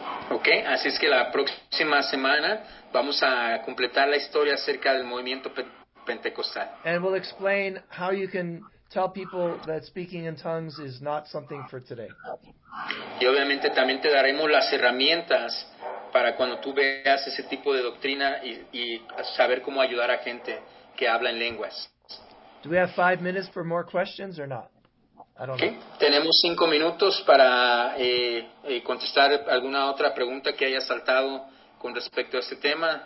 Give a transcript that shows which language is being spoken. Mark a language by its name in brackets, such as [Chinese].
[Spanish] Okay, así es que la próxima semana vamos a completar la historia acerca del movimiento pentecostal. [English] And we'll explain how you can tell people that speaking in tongues is not something for today. [Spanish] Y obviamente también te daremos las herramientas para cuando tú veas ese tipo de doctrina y saber cómo ayudar a gente que habla en lenguas. [English] Do we have 5 minutes for more questions or not? I don't know. [Spanish] Tenemos 5 minutos para contestar alguna otra pregunta que haya saltado con respecto a este tema.